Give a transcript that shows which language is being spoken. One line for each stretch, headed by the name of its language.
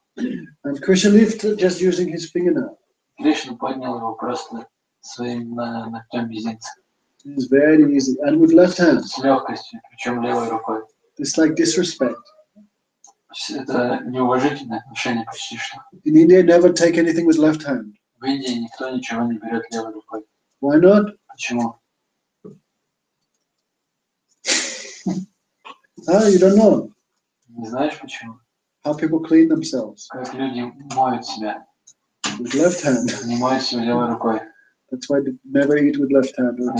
English: And Krishna lifted just using his fingernail.
Russian: Кришна поднял его просто своим ногтем мизинца.
English: It's very easy, and with left hand.
Russian: С легкостью, причем левой рукой.
English: It's like disrespect.
Russian: Это неуважительное отношение к Кришне.
English: In India, never take anything with left hand.
Russian: В Индии никто ничего не берет левой рукой.
English: Why not?
Russian: Почему?
English: you don't know.
Russian: Не знаешь почему?
English: How people clean themselves.
Russian: Как люди моют себя.
English: With left hand.
Russian: Не моют себя левой рукой.
English: That's why they never eat with left hand.